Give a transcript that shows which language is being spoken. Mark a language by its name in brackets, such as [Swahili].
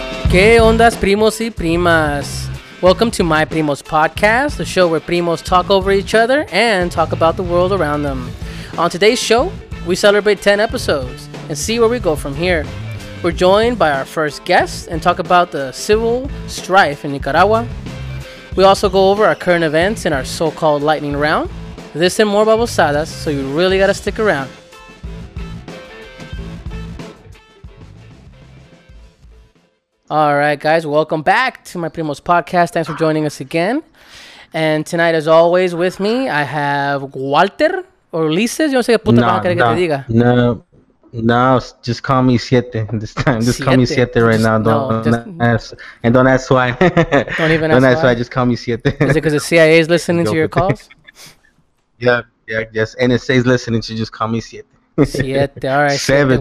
[Spanish] ¿Qué ondas, primos y primas? [English] Welcome to My Primos Podcast, the show where primos talk over each other and talk about the world around them. On today's show, we celebrate 10 episodes and see where we go from here. We're joined by our first guest and talk about the civil strife in Nicaragua. We also go over our current events in our so-called lightning round. This and more babosadas, so you really gotta stick around. All right, guys, welcome back to My Primos Podcast. Thanks for joining us again. And tonight, as always, with me, I have Walter or Ulises. [Spanish] Yo no sé qué puta madre quiere que te diga. [English] No, just call me Siete this time. Just siete. Call me Siete right just, now. Don't ask why. Don't ask why. Just call me Siete. Is it because the CIA is listening to your calls? Yeah, NSA is listening, so just call me Siete. Siete, all right. Seven.